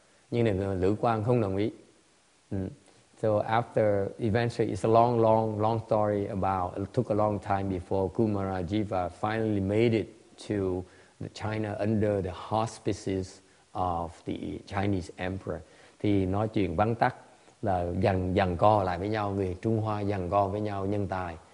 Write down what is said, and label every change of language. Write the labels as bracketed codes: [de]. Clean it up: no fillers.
[vi] Nhưng Lữ Quang không đồng ý. [en] So after, eventually, it's a long, long, long story about, it took a long time before Kumarajiva finally made it to China under the auspices of the Chinese emperor. [vi] Thì nói chuyện vắn tắt là dằn co lại với nhau, người Trung Hoa dằn co với nhau nhân tài.